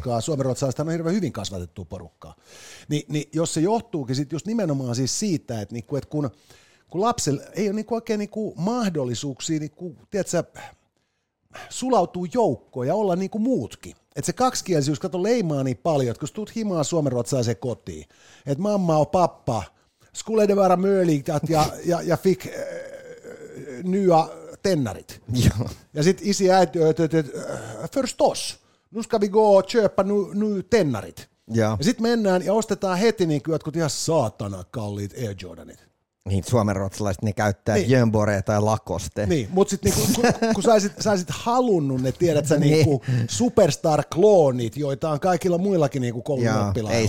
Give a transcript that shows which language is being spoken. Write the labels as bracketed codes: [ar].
[fi] Koska suomenruotsalaiset on hirveän hyvin kasvatettua porukkaa. Niin jos se johtuukin sitten just nimenomaan siis siitä, että, niin kuin, että kun lapsella ei ole niin kuin oikein niin kuin mahdollisuuksia, niin kuin, tiedätkö, sulautuu joukkoon ja olla niin kuin muutkin. Että se kaksikielisyys, kato, leimaa niin paljon, että kun sä tuut himaan suomenruotsalaiseen kotiin, että mamma on pappa, [sv] Skulle det vara möjligt att jag fick nya tennarit. [fi] Ja sitten isi äiti, että [sv] förstås, nu ska vi gå och köpa nu tennarit. [fi] Ja sitten mennään ja ostetaan heti niin kuin jotkut ihan saatana kalliit Air Jordanit. Niin, suomenruotsalaiset ne käyttää niin. Jönboreja tai Lacoste. Niin, mutta sitten niinku, kun sä olisit halunnut ne, tiedät sä, niin. Niinku, superstar-kloonit, joita on kaikilla muillakin niinku koulunoppilailla.